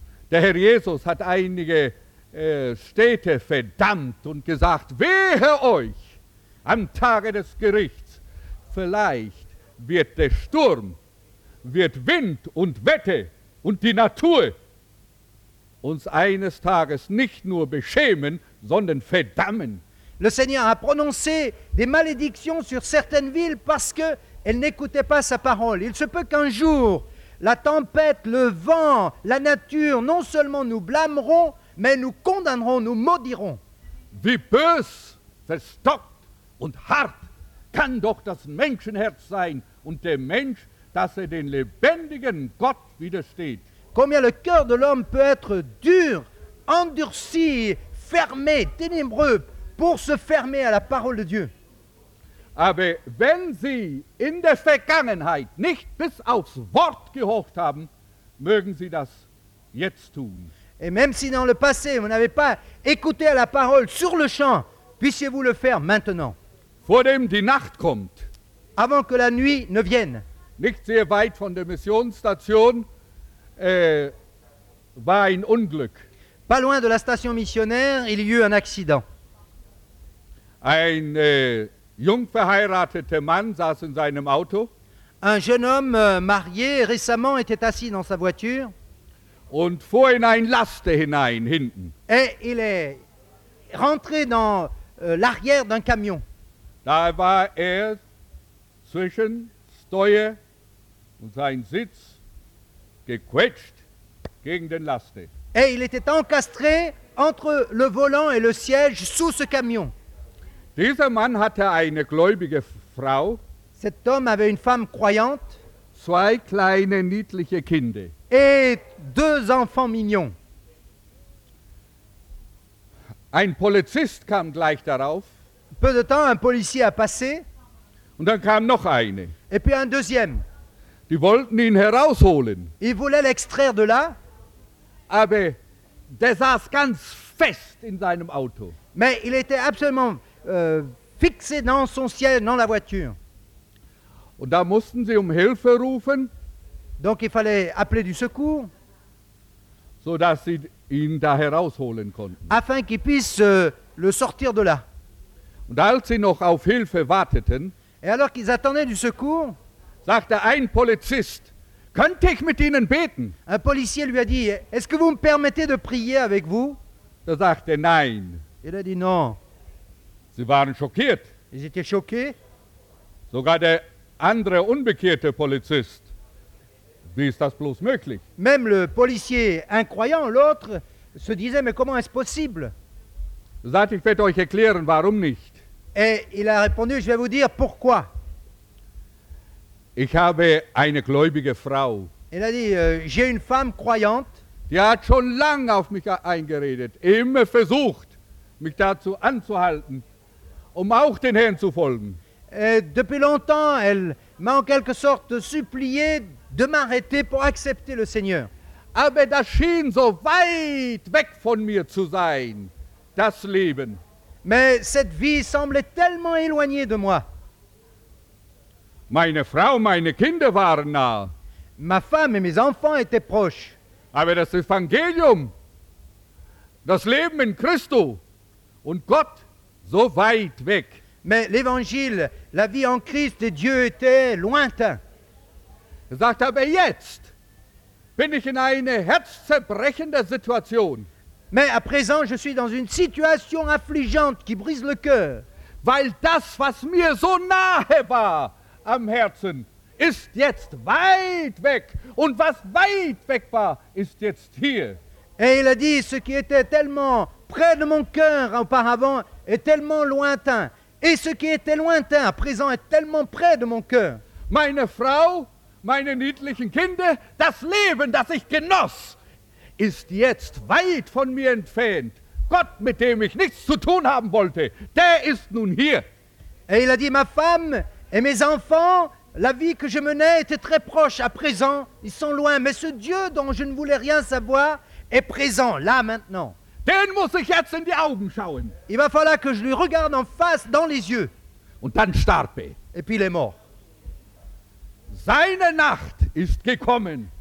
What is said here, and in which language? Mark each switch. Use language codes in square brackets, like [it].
[de] Der Herr Jesus hat einige Städte verdammt und gesagt, wehe euch am Tage des Gerichts. Vielleicht wird der Sturm, wird Wind und Wetter und die Natur uns eines Tages nicht nur beschämen, sondern verdammen. [fr] Le Seigneur a prononcé des malédictions sur certaines villes parce qu'elles n'écoutaient pas sa parole. Il se peut qu'un jour, la tempête, le vent, la nature, non seulement nous blâmeront, mais nous condamnerons, nous maudirons. [de] Wie bös, verstockt und hart kann doch das Menschenherz sein und der Mensch, dass er den lebendigen Gott widersteht. [fr] combien le cœur de l'homme peut être dur, endurci, fermé, ténébreux, pour se fermer à la parole de Dieu. [de] Aber wenn Sie in der Vergangenheit nicht bis aufs Wort gehorcht haben, mögen Sie das jetzt tun. [fr] Et même si dans le passé, vous n'avez pas écouté à la parole sur le champ, puissiez-vous le faire maintenant. [de] Vor dem die Nacht kommt. [fr] Avant que la nuit ne vienne. [de] Nicht sehr weit von der Missionsstation war ein Unglück. [fr] Pas loin de la station missionnaire, il y eut un accident. [de] Ein jung verheirateter Mann saß in seinem Auto. [fr] Un jeune homme marié récemment était assis dans sa voiture. [de] Und fuhr in ein Laster hinein, hinten. [fr] Et il est rentré dans l'arrière d'un camion. [de] Da war zwischen Steuer und sein Sitz gequetscht gegen den Laster. [fr] Et il était encastré entre le volant et le siège sous ce camion. [de] Dieser Mann hatte eine gläubige Frau. [fr] Cet homme avait une femme croyante. [de] Zwei kleine niedliche Kinder. [fr] Et deux enfants mignons. [de] Ein Polizist kam gleich darauf. [fr] Peu de temps, un policier a passé. [de] Und dann kam noch eine. [fr] Et puis un deuxième. [de] Die wollten ihn herausholen. [fr] Ils voulaient l'extraire de là. [de] Aber der saß ganz fest in seinem Auto. [fr] Mais il était absolument fixé dans son siège, dans la voiture. [de] Und da mussten sie um Hilfe rufen. [fr] Donc il fallait appeler du secours. [de] So dass sie ihn da herausholen konnten. [fr] Afin qu'il puisse le sortir de là. [de] Und als sie noch auf Hilfe warteten, [fr] et alors qu'ils attendaient du secours, [de] sagte ein Polizist, könnte ich mit Ihnen beten? [fr] Un policier lui a dit, est-ce que vous me permettez de prier avec vous? [de] Da sagte nein. [fr] Il a dit non. [de] Sie waren schockiert. [fr] Ils étaient choqués. [de] Sogar der andere unbekehrte Polizist. Wie ist das bloß möglich? [fr] Même le policier incroyant, l'autre, se disait, mais comment est-ce possible? [de] Da sagte, ich werde euch erklären, warum nicht. [fr] Et il a répondu, je vais vous dire pourquoi. [de] Ich habe eine gläubige Frau. [fr] Il a dit, j'ai une femme croyante. [de] Die hat schon lange auf mich eingeredet, immer versucht, mich dazu anzuhalten, um auch den Herrn zu folgen. [fr] Et depuis longtemps, elle m'a en quelque sorte supplié de m'arrêter pour accepter le Seigneur. [de] Aber das schien so weit weg von mir zu sein, das Leben. [fr] Mais cette vie semblait tellement éloignée de moi. [de] Meine Frau, meine Kinder waren nah. [fr] Ma femme et mes enfants étaient proches. [de] Aber das Evangelium, das Leben in Christo und Gott, so weit weg. [fr] Mais l'évangile, la vie en Christ et Dieu étaient lointains. [de] Er sagte, aber jetzt bin ich in eine herzzerbrechende Situation. [fr] Mais à présent, je suis dans une situation affligeante qui brise le cœur. [de] Weil das, was mir so nahe war am Herzen, ist jetzt weit weg. Und was weit weg war, ist jetzt hier. [fr] Et il a dit, ce qui était tellement près de mon cœur auparavant est tellement lointain. Et ce qui était lointain à présent est tellement près de mon cœur. [de] Meine Frau, meine niedlichen Kinder, das Leben, das ich genoss, ist jetzt weit von mir entfernt. Gott, mit dem ich nichts zu tun haben wollte, der ist nun hier. [fr] Et il a dit, ma femme et mes enfants, la vie que je menais était très proche à présent, ils sont loin, mais ce Dieu dont je ne voulais rien savoir est présent, là maintenant. [de] Den muss ich jetzt in die Augen schauen. [fr] Il va falloir que je lui regarde en face, dans les yeux. [de] Und dann starb er. [fr] Et puis il est mort. [de] Seine Nacht ist gekommen.